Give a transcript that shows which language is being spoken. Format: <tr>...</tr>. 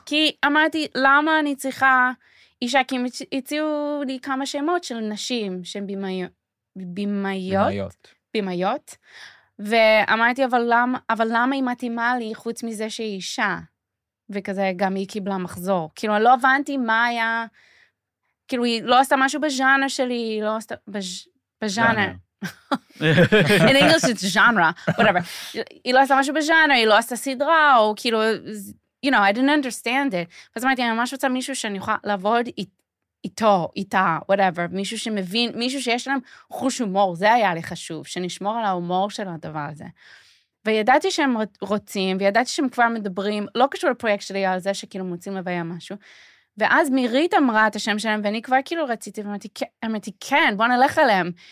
<he>כי אמרתי, למה אני צריכה אישה? כי הם הציעו לי כמה שמות של נשים, שהן בימיות. בימיות. ואמרתי, אבל למה היא מתאימה לי חוץ מזה שהיא אישה? וכזה גם היא קיבלה מחזור. כאילו, אני לא הבנתי מה היה... כאילו, היא לא עשתה משהו בז'אנר שלי, היא לא עשתה... בז'אנר.</he> <en>In English it's genre, whatever.</en> <he>היא לא עשתה משהו בז'אנר, היא לא עשתה סדרה, או כאילו,</he> <en>you know, I didn't understand it.</en> <he>ואז אמרתי, אני ממש רוצה מישהו שאני יכולה לעבוד איתו, איתה, whatever, מישהו שמבין, מישהו שיש להם חוש הומור, זה היה לי חשוב, שנשמור על ההומור של הדבר הזה. וידעתי שהם רוצים, וידעתי שהם כבר מדברים, לא קשור לפרויקט שלי על זה שכאילו מוצאים לביה משהו, ואז מירית אמרה את השם שלהם, ואני כבר כאילו רציתי, ואמרתי, כן, בוא נלך אליהם.</he>